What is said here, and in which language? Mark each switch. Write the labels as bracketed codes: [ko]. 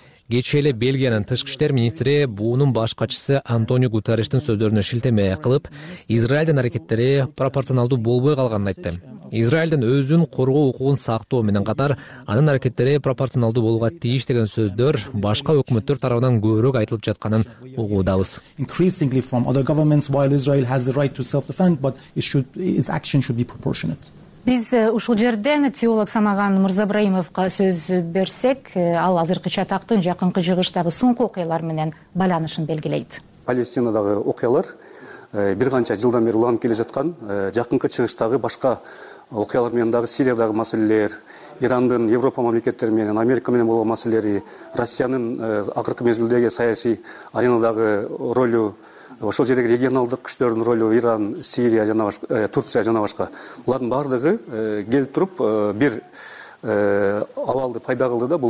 [ky] Кечээ эле Бельгиянын тышкы иштер министри буунун башкачысы Антонио Гутерештин сөздөрүнө шилтеме кылып, Израилдин аракеттери пропорционалдуу болбой калганын айтты. Израилдин өзүн коргоо укугун сактоо менен катар анын аракеттери пропорционалдуу болууга тийиш деген сөздөр башка өкмөттөр тарабынан көбүрөөк айтылып жатканын угуудабыз. [en] Increasingly from other governments while Israel has the right to self-defend but its action should be proportionate. [ky] Биз ушул жерден теолог Самаган Мырзабраимовго сөз берсек, ал азыркыча тактын жакынкы жыгыштагы соңку окуялар менен байланышын белгилейт. Палестинадагы окуялар бир канча жылдан бери уланып келе жаткан жакынкы чыгыштагы башка окуялар менен дагы Сириядагы маселелер, Ирандын Европа мамлекеттери менен Америка менен болгон маселелери, Россиянын акыркы мезгилдеги саясий аренадагы ролу, ошол жердеги регионалдык күчтөрдүн ролу, Иран, Сирия жана Турция жана башка, булардын баардыгы келип туруп бир абалды пайда кылды да.